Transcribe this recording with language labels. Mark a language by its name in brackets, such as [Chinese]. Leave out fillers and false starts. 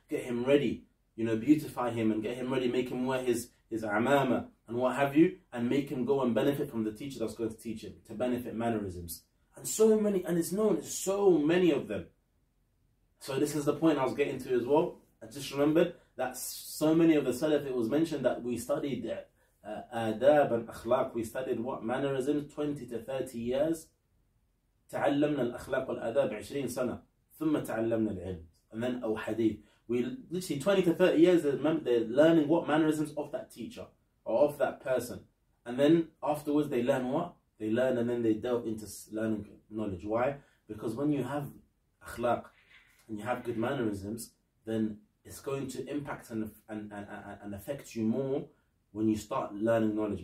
[English] Get him ready, you know, beautify him and get him ready, make him wear his amama and what have you, and make him go and benefit from the teacher that's going to teach him, to benefit mannerisms. And so many, and it's known, so many of them. So this is the point I was getting to as well. I just remembered that so many of the salaf, it was mentioned that we studied adab and akhlaq. We studied what? Mannerisms, 20 to 30 years. [Arabic] تعلمنا الأخلاق والأداب 20 سنة ثم تعلمنا العلم. [English] And then [Arabic] أو حديث. [English] We literally 20 to 30 years, they're learning what mannerisms of that teacher or of that person. And then afterwards they learn what? They learn and then they delve into learning knowledge. Why? Because when you have akhlaq and you have good mannerisms, then it's going to impact and affect you more when you start learning knowledge.